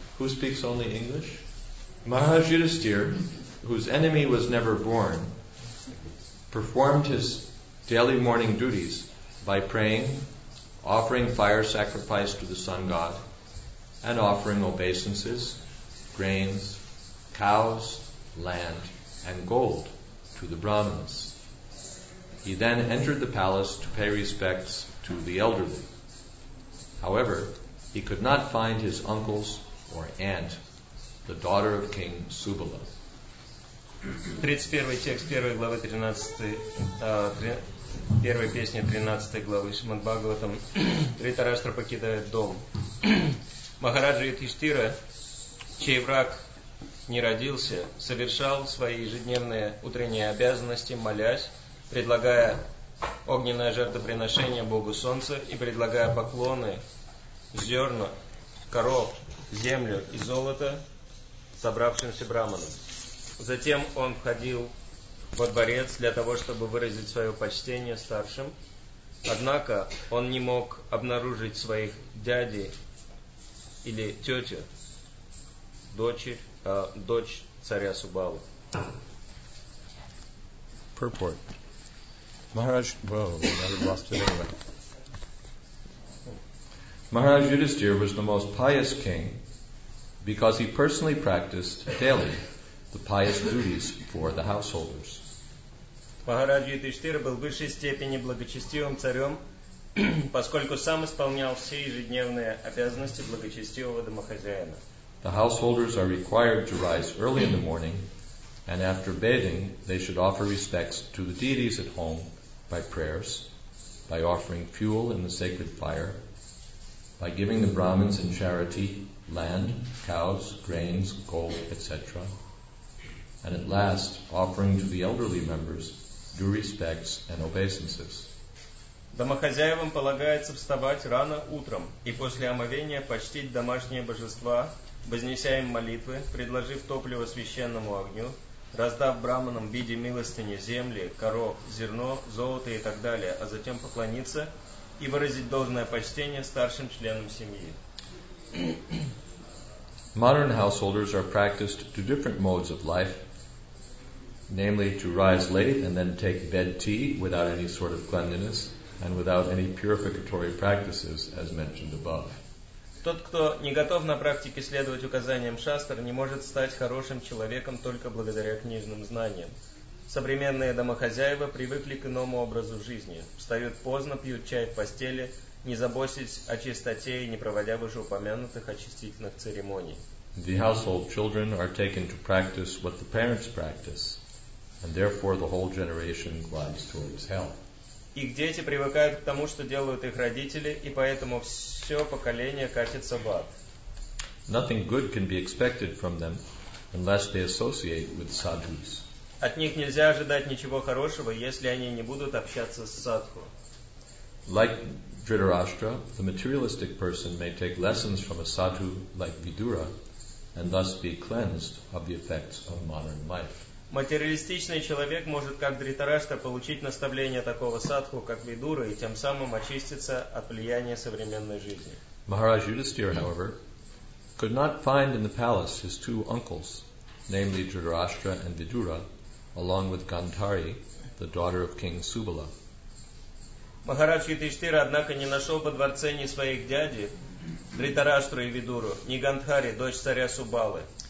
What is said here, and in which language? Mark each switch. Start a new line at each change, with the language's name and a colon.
English: Who speaks only English? Maharaj Yudhisthira, whose enemy was never born, performed his daily morning duties by praying, offering fire sacrifice to the sun god, and offering obeisances, grains, cows, land, and gold to the Brahmins. He then entered the palace to pay respects to the elderly. However, he could not find his uncles or aunt, the daughter of King Subala.
Russian: 31 текст 1 главы 1 песни 13 главы Шримад-Бхагаватам. Дхритараштра покидает дом. Махараджа Юдхиштхира, чей враг не родился, совершал свои ежедневные утренние обязанности, молясь, предлагая огненное жертвоприношение Богу Солнца и предлагая поклоны, зерна, коров, землю и золото собравшимся брахманам. Затем он входил во дворец для того, чтобы выразить свое почтение старшим. Однако он не мог обнаружить своих дяди или тети, дочь царя Субалы.
English: Purport. Maharaj, Maharaj Yudhisthira was the most pious king because he personally practiced daily the pious duties for the householders.
Russian: Maharaj Yudhisthira был в высшей степени благочестивым царем, поскольку сам исполнял все ежедневные обязанности благочестивого домохозяина.
English: The householders are required to rise early in the morning, and after bathing, they should offer respects to the deities at home by prayers, by offering fuel in the sacred fire, by giving the Brahmins in charity land, cows, grains, gold, etc., and at last offering to the elderly members due respects and obeisances.
Russian: Домохозяевам полагается вставать рано утром и после омовения почтить домашние божества, вознеся им молитвы, предложив топливо священному огню, раздав браманам в виде милостыни земли, коров, зерно, золото и так далее, а затем поклониться и выразить должное почтение старшим членам семьи.
English: Modern householders are practiced to different modes of life, namely to rise late and then take bed tea without any sort of cleanliness and without any purificatory practices as mentioned above.
Russian: Тот, кто не готов на практике следовать указаниям шастр, не может стать хорошим человеком только благодаря книжным знаниям. Современные домохозяева привыкли к иному образу жизни. Встают поздно, пьют чай в постели, не заботясь о чистоте и не проводя вышеупомянутых очистительных церемоний.
English: The household children are taken to practice what the parents practice, and therefore the whole generation glides towards hell.
Russian: Их дети привыкают к тому, что делают их родители, и поэтому все поколение катится в ад.
English: Nothing good can be expected from them unless they associate with sadhus.
Russian: От них нельзя ожидать ничего хорошего, если они не будут общаться с садху.
English: Like Dhritarashtra, the materialistic person may take lessons from a sadhu like Vidura and thus be cleansed of the effects of modern life.
Russian: Материалистичный человек может, как Дритарашта, получить наставление такого садху, как Видура, и тем самым очиститься от влияния современной жизни.
English: Maharaj Yudhisthira, however, could not find in the palace his two uncles, namely Dhritarashtra and Vidura, along with Gandhari, the daughter of King Subala.
Russian: Maharaj Yudhisthira, однако, не нашел во дворце ни своих дяди, Дритараштру и Видуру, ни Гандхари, дочь царя Субалы.